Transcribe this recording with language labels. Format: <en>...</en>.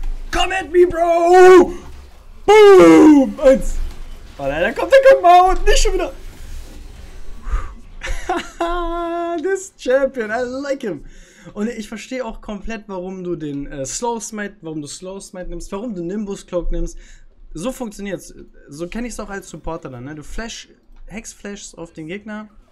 <en>Come at me, Bro! Boom! Eins!</en> <de>Oh nein, da kommt der Kog'Maw und nicht schon wieder!</de> <en>This Champion, I like him!</en> <de>Und ich verstehe auch komplett, warum du den Slow Smite, warum du Slow Smite nimmst, warum du Nimbus Cloak nimmst. So funktioniert's. So kenne ich es auch als Supporter dann, ne? Du Hex-Flashs auf den Gegner.</de>